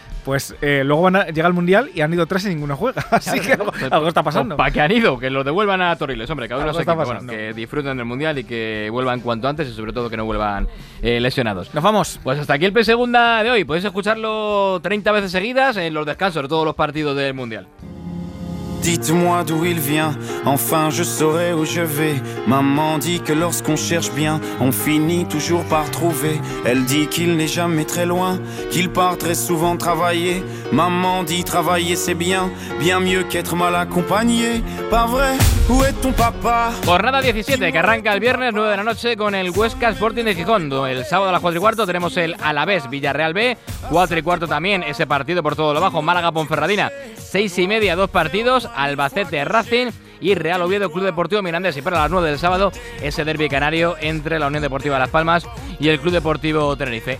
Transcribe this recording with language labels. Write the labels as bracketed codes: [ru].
[es] Pues luego llega el Mundial y han ido tres y ninguno juega. Así que algo está pasando. ¿Para qué han ido? Que lo devuelvan a Toriles. Hombre, cada uno se equipa, bueno, que disfruten del Mundial y que vuelvan cuanto antes y sobre todo que no vuelvan lesionados. ¡Nos vamos! Pues hasta aquí el Play Segunda de hoy. Podéis escucharlo 30 veces seguidas en los descansos de todos los partidos del Mundial. [fr] Dites-moi d'où il vient, enfin je saurai où je vais. Maman dit que lorsqu'on cherche bien, on finit toujours par trouver. Elle dit qu'il n'est jamais très loin, qu'il part très souvent travailler. Maman dit travailler c'est bien, bien mieux qu'être mal accompagné. Pas vrai, où est ton papa? [es] Jornada 17, que arranca el viernes 9 de la noche con el Huesca Sporting de Gijón. El sábado a las 4 y cuarto tenemos el Alavés Villarreal B. 4 y cuarto también ese partido por todo lo bajo, Málaga Ponferradina. 6 y media, dos partidos, Albacete Racing y Real Oviedo Club Deportivo Mirandés. Y para las 9 del sábado, ese derbi canario entre la Unión Deportiva Las Palmas y el Club Deportivo Tenerife.